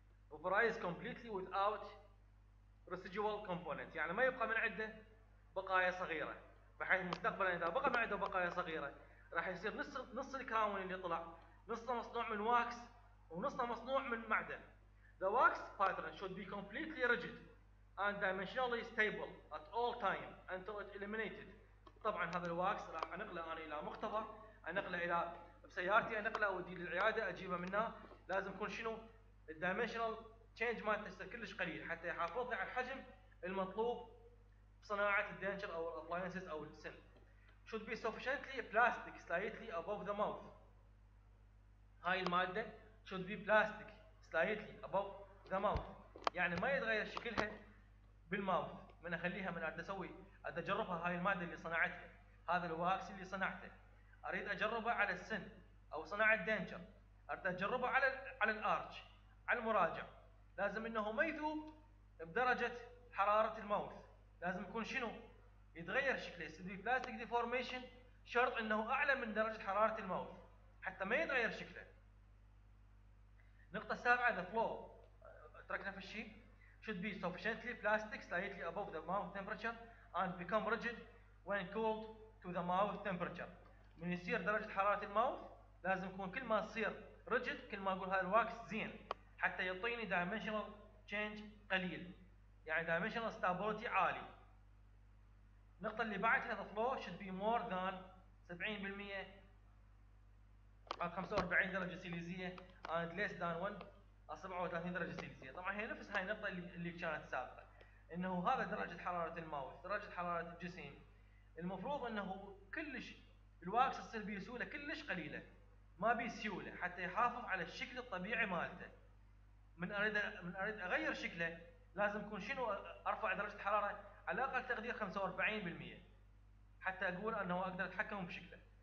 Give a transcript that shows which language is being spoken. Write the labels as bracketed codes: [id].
[en] وفرايز completely without residual component, [ar] يعني ما يبقى من عنده بقايا صغيره، بحيث مستقبلا اذا بقى من عنده بقايا صغيره راح يصير نص الكراون اللي طلع نصه مصنوع من واكس ونصه مصنوع من معدن. [en] The wax pattern should be completely rigid and dimensionally stable at all time until it eliminated. [ar] طبعا هذا الواكس راح انقله انا الى مختبر، انقله الى بسيارتي، انقله اودي للعياده اجيبه منها. لازم يكون شنو الدايمنشنال تشينج مالته كلش قليل حتى يحافظ على الحجم المطلوب بصناعه الدينشر او الابلاينسز او السن. [en] Should be sufficiently plastic slightly above the mouth. [ar] هاي الماده [en] should be plastic slightly above the mouth، [ar] يعني ما يتغير شكلها بالماوث من اخليها من اسوي اجربها. هاي الماده اللي صنعتها، هذا الواكس اللي صنعته، اريد اجربه على السن او صناعه دينشر، اريد اجربه على الارج على المراجع. لازم انه ما يذوب بدرجه حراره الماوث، لازم يكون شنو يتغير شكله، يصير بلاستيك ديفورميشن، شرط انه اعلى من درجه حراره الماوث حتى ما يتغير شكله. نقطة سابعة [en] the flow، [ar] تركنا في الشيء [en] should be sufficiently plastic slightly above the mouth temperature and become rigid when cooled to the mouth temperature. [ar] من يصير درجة حرارة الماوث لازم يكون كل ما تصير rigid كل ما أقول هذا الواكس زين حتى يعطيني dimensional change قليل، يعني dimensional stability عالي. [en] النقطة اللي بعدها the flow should be more than 70% [ar] على 45 درجة سيليزية [en] and less than [ar] 37 درجة سيليزية. طبعا هي نفس هاي النقطة اللي كانت سابقة، انه هذا درجة حرارة الماوث، درجة حرارة الجسم المفروض انه كلش الواكس تصير بيه سيولة كلش قليلة، ما بيه سيولة حتى يحافظ على الشكل الطبيعي مالته. من اريد اغير شكله لازم يكون شنو ارفع درجة حرارة على الاقل تقدير 45% حتى اقول انه اقدر اتحكم بشكله.